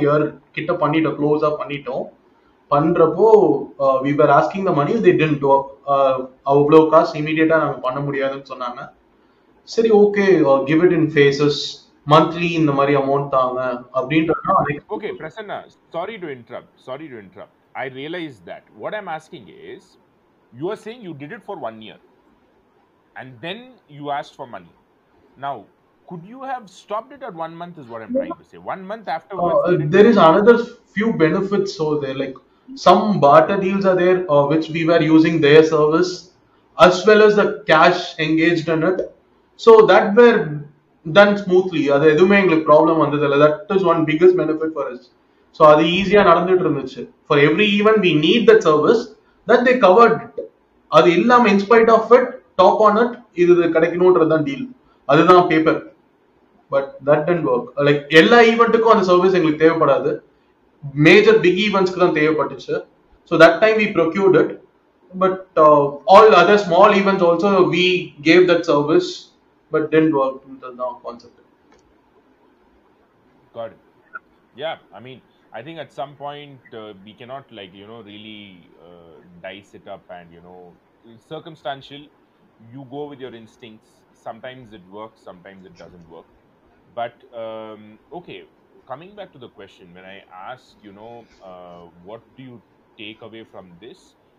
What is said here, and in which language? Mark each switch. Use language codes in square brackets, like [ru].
[ta] யார் கிட்ட பண்ணிட்டோம், க்ளோஸாக பண்ணிட்டோம். பண்ணுறப்போ [en] we were asking the money, [ta] they tent அவ்வளோ காசு இமீடியட்டாக நாங்கள் பண்ண முடியாதுன்னு சொன்னாங்க. சரி okay, [en] give it in phases, [ta] monthly இந்த மாதிரி அமௌண்ட் தாங்க அப்படின்றதுதான். [en] Okay Prasanna, sorry to interrupt, I realise that what I'm asking is, you're saying you did it for 1 year, and then you asked for money. Now, could you have stopped it at 1 month is what I'm trying to say. 1 month afterwards. There is another few benefits. So there, like some barter deals are there, which we were using their service as well as the cash engaged in it. So that were done smoothly. That is a problem. That is one biggest benefit for us. So that is easy and for every event we need that service, that they covered it. [ta] அது எல்லாம் [en] in spite of it top on it [ta] இது கிடைக்கணுன்றது தான் deal அதுதான் paper [en] but that tent work like [ta] எல்லா ஈவெண்ட்டுக்கும் அந்த service எங்களுக்கு தேவைப்படாது [en] Major big ஈவெண்ட்ஸ்க்கு தான் தேவைப்பட்டுச்சு so that time we procured it but all other small events also we gave that service but tent work தான் concept God. Yeah, I mean, I think at some point we cannot like, you know, really dice it up and, you know, circumstantial, you go with your instincts. Sometimes it works, sometimes it doesn't work. But, okay, coming back to the question, when I ask, you know, what do you take away from this?